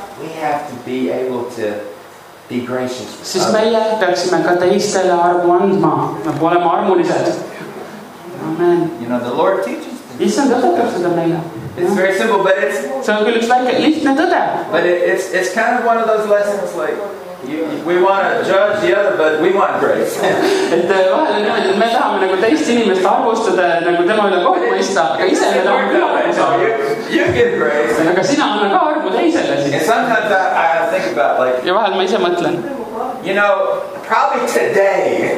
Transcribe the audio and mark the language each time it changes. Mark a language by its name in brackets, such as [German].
[English] we have to be able to be gracious. [Estonian] Siis meie peaksime ka teistele armu andma. Me oleme armulised. Amen. [English] You know, the Lord teaches this. [Estonian] Issand õpetab seda meile. [English] It's very simple, but it's... [Estonian] See on küll üks väike lihtne tõde. [English] But it's kind of one of those lessons like... We want to judge the other, but we want grace. [Estonian] Et vahel on niimoodi, et me tahame nagu teist inimest arvustada, nagu tema üle kohtu mõista, aga ise me tahame küll arvustada. [English] You give grace. [Estonian] Aga sina anna ka arvu teisele siis. [English] And sometimes I have to think about like... [Estonian] Ja vahel ma ise mõtlen. [English] You know, probably today...